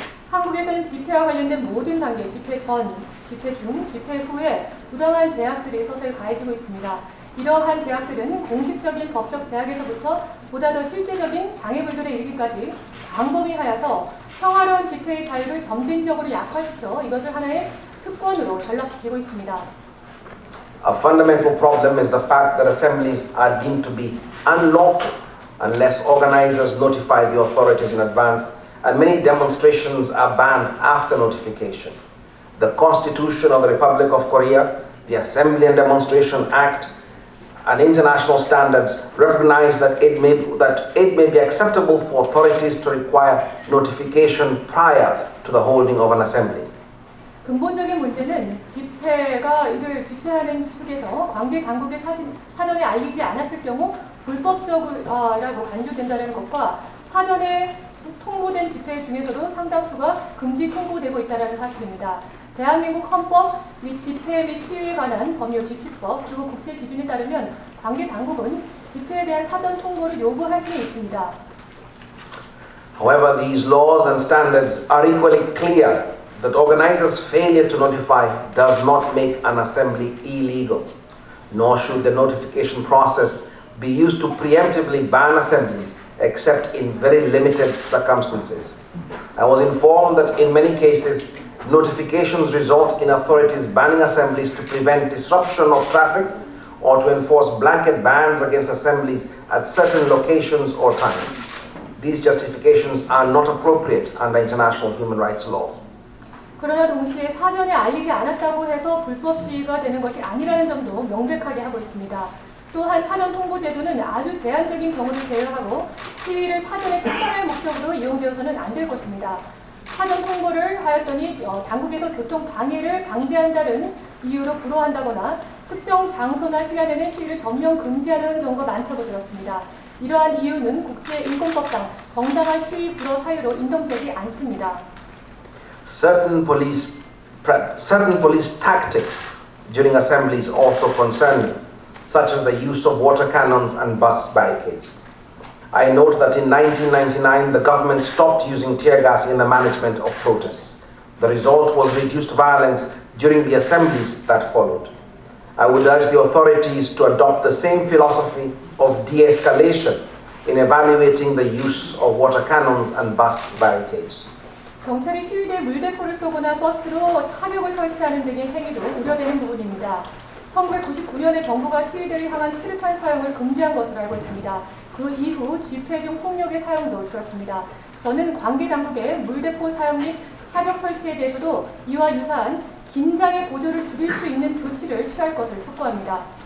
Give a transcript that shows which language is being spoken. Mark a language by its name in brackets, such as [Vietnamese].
[Korean] 한국에서는 집회와 관련된 모든 단계, 집회 전, 집회 중, 집회 후에 부당한 제약들이 서서히 가해지고 있습니다. 이러한 제약들은 공식적인 법적 제약에서부터 보다 더 실제적인 장애물들에 이르기까지 광범위하여서 평화로운 집회의 자유를 점진적으로 약화시켜 이것을 하나의 특권으로 전락시키고 있습니다. [English] A fundamental problem is the fact that assemblies are deemed to be unlawful unless organizers notify the authorities in advance, and many demonstrations are banned after notification. The Constitution of the Republic of Korea, the Assembly and Demonstration Act, and international standards recognize that it may be acceptable for authorities to require notification prior to the holding of an assembly. [Korean] 근본적인 문제는 집회가 이를 집회하는 측에서 관계 당국의 사전에 알리지 않았을 경우 불법적이라고 간주된다는 것과 사전에 통보된 집회 중에서도 상당수가 금지 통보되고 있다는 사실입니다. 대한민국 헌법 및 집회 및 시위에 관한 법률 집시법 그리고 국제 기준에 따르면 관계 당국은 집회에 대한 사전 통보를 요구할 수 있습니다. [English] However, these laws and standards are equally clear that organizers' failure to notify does not make an assembly illegal, nor should the notification process be used to preemptively ban assemblies except in very limited circumstances. I was informed that in many cases, notifications result in authorities banning assemblies to prevent disruption of traffic or to enforce blanket bans against assemblies at certain locations or times. These justifications are not appropriate under international human rights law. [Korean] 그러나 동시에 사전에 알리지 않았다고 해서 불법 시위가 되는 것이 아니라는 점도 명백하게 하고 있습니다. 또한 사전 통보 제도는 아주 제한적인 경우를 제외하고 시위를 사전에 특별한 목적으로 이용되어서는 안 될 것입니다. 사전 통보를 하였더니 당국에서 교통 방해를 방지한다는 이유로 불허한다거나 특정 장소나 시간에는 시위를 전면 금지하는 경우가 많다고 들었습니다. 이러한 이유는 국제인권법상 정당한 시위 불허 사유로 인정되지 않습니다. [English] Certain police tactics during assemblies also concern me, such as the use of water cannons and bus barricades. I note that in 1999, the government stopped using tear gas in the management of protests. The result was reduced violence during the assemblies that followed. I would urge the authorities to adopt the same philosophy of de-escalation in evaluating the use of water cannons and bus barricades. [Korean] 경찰이 시위대에 물대포를 쏘거나 버스로 화력을 설치하는 등의 행위도 우려되는 부분입니다. 1999년에 정부가 시위대를 향한 체류탄 사용을 금지한 것으로 알고 있습니다. 그 이후 집회 중 폭력의 사용도 줄었습니다. 저는 관계 당국의 물대포 사용 및 화력 설치에 대해서도 이와 유사한 긴장의 고조를 줄일 수 있는 조치를 취할 것을 촉구합니다.